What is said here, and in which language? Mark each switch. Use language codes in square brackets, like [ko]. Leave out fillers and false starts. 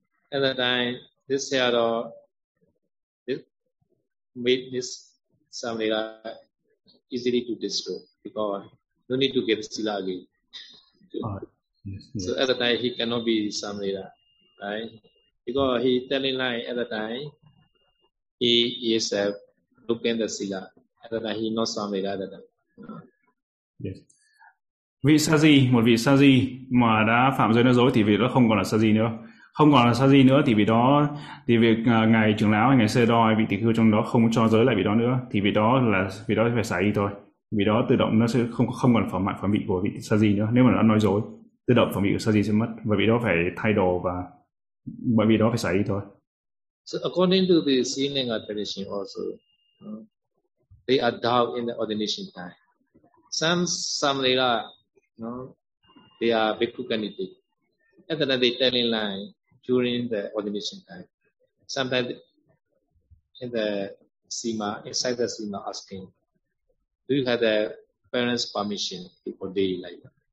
[en] At the time, this sero, this made this samanera easily to disrobe because no need to get sila again. Yes. So at the time he cannot be samanera, right? Because he telling lie at the time, he is looking the sila. At the time he not samanera at the time. Yes. [vi] Vị Sa-di, một vị Sa-di mà đã phạm giới nói dối thì vị đó không còn là Sa-di nữa. Không còn là Sa-di nữa thì vị đó, thì việc ngài trưởng lão, ngài sơ đo, vị tỷ khưu trong đó không cho giới lại vị đó nữa. Thì vị đó là, vị đó phải xả y thôi. Vị đó tự động nó sẽ không còn phẩm mạng phẩm vị của vị Sa-di nữa. Nếu mà nó nói dối, tự động phẩm vị của Sa-di sẽ mất. Và vị đó phải thay đồ và bởi vị đó phải xả y thôi. [en] So according to the seeing and tradition also, they are doubt in the ordination time. Some later, no, they are bhikkhu candidate. And then they tell in line during the ordination time. Sometimes in the sima, inside the sima, asking, do you have the parents' permission to ordain like that?